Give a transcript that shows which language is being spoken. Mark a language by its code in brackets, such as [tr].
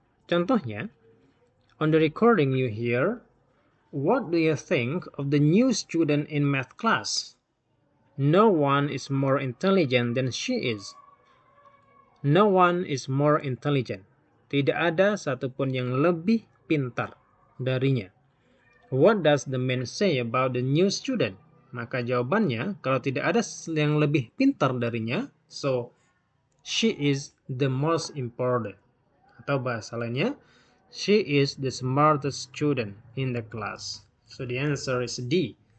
[id] Contohnya, [en] on the recording you hear, what do you think of the new student in math class? No one is more intelligent than she is. No one is more intelligent. [id] Tidak ada satupun yang lebih pintar darinya. [en] What does the man say about the new student? [id] Maka jawabannya, kalau tidak ada yang lebih pintar darinya, [en] so she is the most important. [id] Atau bahasa lainnya, [en] she is the smartest student in the class. So the answer is D.